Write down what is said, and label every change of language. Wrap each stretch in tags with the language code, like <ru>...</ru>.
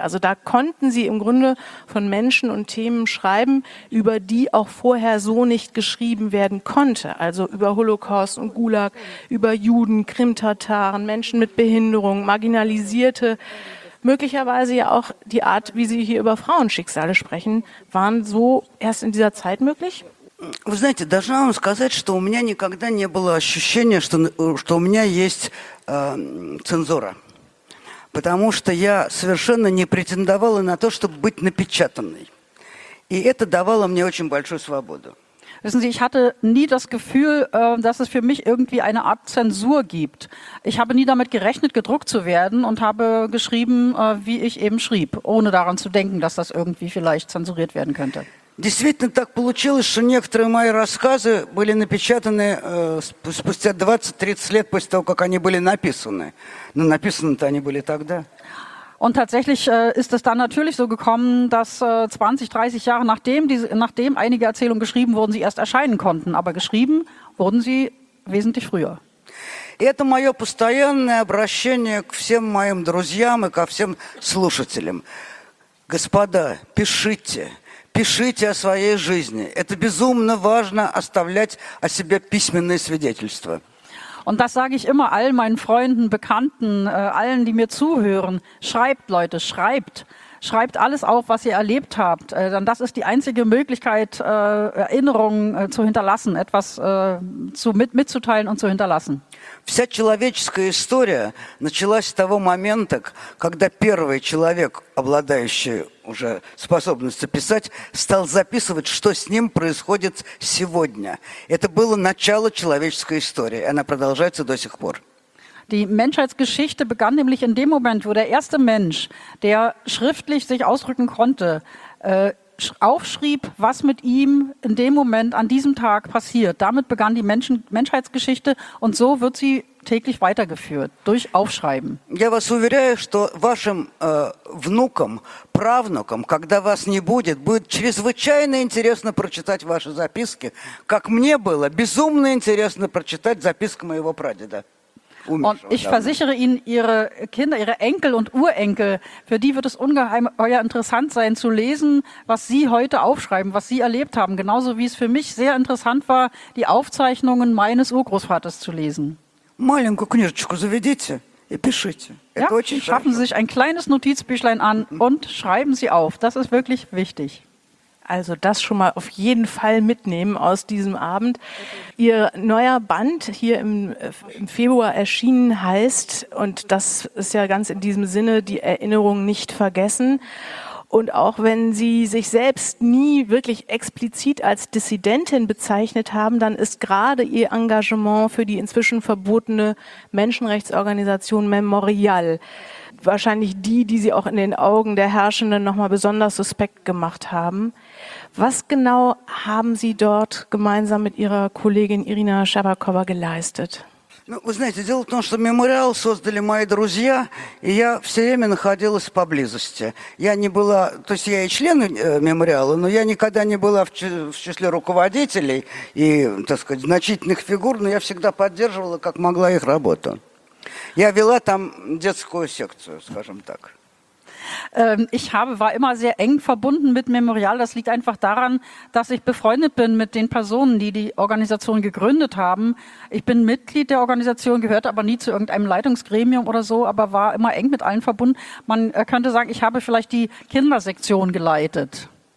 <de>Also da konnten Sie im Grunde von Menschen und Themen schreiben, über die auch vorher so nicht geschrieben werden konnte. Also über Holocaust und Gulag, über Juden, Krimtataren, Menschen mit Behinderung, Marginalisierte. Möglicherweise ja auch die Art, wie Sie hier über Frauenschicksale sprechen, waren so erst in dieser Zeit möglich?</de> <ru>Вы знаете, должна вам сказать, что у меня никогда не было ощущения, что у меня есть цензура. Потому что я совершенно не претендовала на то, чтобы быть напечатанной. И это давало мне очень большую свободу.</ru> <de>Wissen Sie, ich hatte nie das Gefühl, dass es für mich irgendwie eine Art Zensur gibt. Ich habe nie damit gerechnet, gedruckt zu werden und habe geschrieben, wie ich eben schrieb, ohne daran zu denken, dass das irgendwie vielleicht zensuriert werden könnte.</de> <ru>Действительно так получилось, что некоторые мои рассказы были напечатаны спустя 20-30 лет после того, как они были написаны. Но написаны-то они были тогда.</ru> <de>Und tatsächlich ist es dann natürlich so gekommen, dass 20-30 Jahre nachdem einige Erzählungen geschrieben wurden, sie erst erscheinen konnten. Aber geschrieben wurden sie wesentlich früher.</de> <ru>И это мое постоянное обращение к всем моим друзьям и ко всем слушателям. Господа, пишите. Пишите о своей жизни. Это безумно важно оставлять о себе письменные свидетельства.</ru> <de>Und das sage ich immer all meinen Freunden, Bekannten, allen, die mir zuhören. Schreibt, Leute, schreibt. Schreibt alles auf, was ihr erlebt habt. Denn das ist die einzige Möglichkeit, Erinnerungen zu hinterlassen, etwas mitzuteilen und zu hinterlassen.</de> <ru>Вся человеческая история началась с того момента, когда первый человек, обладающий уже способностью писать, стал записывать, что с ним происходит сегодня. Это было начало человеческой истории, и она продолжается до сих пор.</ru> <de>Die Menschheitsgeschichte begann nämlich in dem Moment, wo der erste Mensch, der schriftlich sich ausdrücken konnte, aufschrieb, was mit ihm in dem Moment, an diesem Tag passiert. Damit begann die Menschheitsgeschichte und so wird sie täglich weitergeführt, durch Aufschreiben.</de> <ru>Я вас уверяю, что вашим внукам, правнукам, когда вас не будет, будет чрезвычайно интересно прочитать ваши записки, как мне было безумно интересно прочитать записки моего прадеда.</ru> <de>Und ich versichere Ihnen, Ihre Kinder, Ihre Enkel und Urenkel, für die wird es ungeheuer interessant sein zu lesen, was Sie heute aufschreiben, was Sie erlebt haben. Genauso wie es für mich sehr interessant war, die Aufzeichnungen meines Urgroßvaters zu lesen.</de> <ru>Маленькую книжечку заведите и пишите.</ru> <de>Ja, schaffen Sie sich ein kleines Notizbüchlein an und schreiben Sie auf. Das ist wirklich wichtig. Also das schon mal auf jeden Fall mitnehmen aus diesem Abend. Ihr neuer Band hier im Februar erschienen heißt, und das ist ja ganz in diesem Sinne, die Erinnerung nicht vergessen. Und auch wenn Sie sich selbst nie wirklich explizit als Dissidentin bezeichnet haben, dann ist gerade Ihr Engagement für die inzwischen verbotene Menschenrechtsorganisation Memorial wahrscheinlich die Sie auch in den Augen der Herrschenden nochmal besonders suspekt gemacht haben. Was genau haben Sie dort gemeinsam mit Ihrer Kollegin Irina Schabakowa geleistet?</de> <ru>Ну, вы знаете, дело в том, что мемориал создали мои друзья, и я все время находилась поблизости. Я не была, то есть я и член мемориала, но я никогда не была в числе руководителей и, так сказать, значительных фигур, но я всегда поддерживала, как могла, их работу. Я вела там детскую секцию, скажем так.</ru> <de>Ich war immer sehr eng verbunden mit Memorial. Das liegt einfach daran, dass ich befreundet bin mit den Personen, die die Organisation gegründet haben. Ich bin Mitglied der Organisation, gehörte aber nie zu irgendeinem Leitungsgremium oder so, aber war immer eng mit allen verbunden. Man könnte sagen, ich habe vielleicht die Kindersektion geleitet.</de>